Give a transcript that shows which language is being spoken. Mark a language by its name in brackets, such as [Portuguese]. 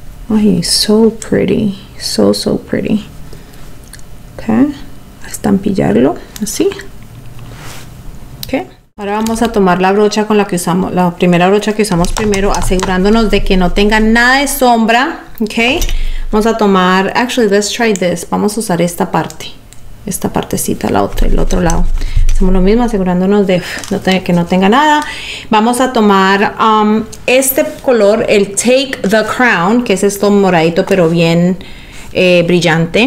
[English] Ay, so pretty. So, so pretty. Ok. [Spanish] A estampillarlo así. Ahora vamos a tomar la brocha con la que usamos, la primera brocha que usamos primero, asegurándonos de que no tenga nada de sombra, ¿ok? Vamos a tomar, [English] actually, let's try this. [Spanish] Vamos a usar esta partecita, la otra, el otro lado. Hacemos lo mismo, asegurándonos de que no tenga nada. Vamos a tomar este color, el Take the Crown, que es esto moradito, pero bien brillante.